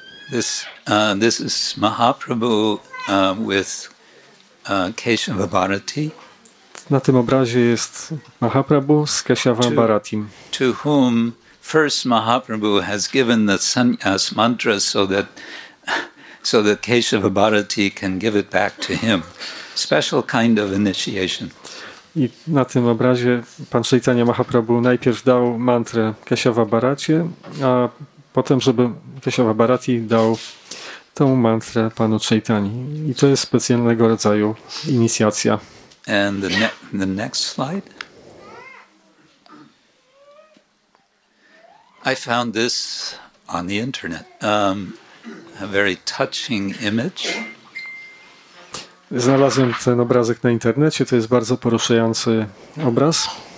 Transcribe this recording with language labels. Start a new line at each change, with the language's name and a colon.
English: This is Mahaprabhu with Keshava Bharati.
Polish: Na tym obrazie jest Mahaprabhu z Keshava Bharatim.
English: To whom first Mahaprabhu has given the sannyas mantra so that Keshava Bharati can give it back to him. Special kind of initiation.
Polish: I na tym obrazie pan Chaitanya Mahaprabhu najpierw dał mantrę Keshava Bharacie, a potem, żeby Keshava Bharati dał tą mantrę panu Chaitanyi. I to jest specjalnego rodzaju inicjacja.
English: And the next slide. I found this on the internet. A very touching image.
Polish: Znalazłem ten obrazek na internecie. To jest bardzo poruszający obraz.